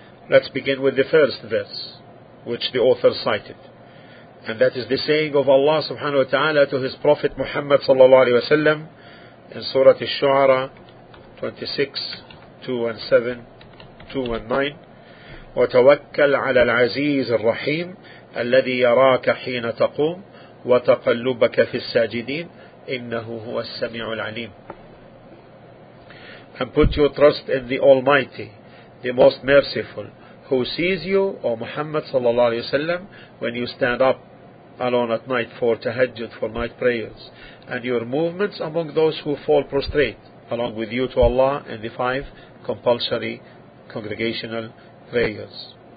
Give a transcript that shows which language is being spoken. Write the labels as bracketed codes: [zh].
[en] Let's begin with the first verse which the author cited, and that is the saying of Allah subhanahu wa ta'ala to his Prophet Muhammad sallallahu alayhi wa sallam in Surah Ash-Shu'ara 26, 2 and 7 2 and 9. [ar] وتوكل على العزيز الرحيم الذي يراك حين تقوم وتقلبك في الساجدين إنه هو السميع العليم. [en] And put your trust in the Almighty, the Most Merciful, who sees you, O Muhammad sallallahu alayhi wa sallam, when you stand up alone at night for tahajjud, for night prayers, and your movements among those who fall prostrate, along with you to Allah in the 5 compulsory congregational prayers.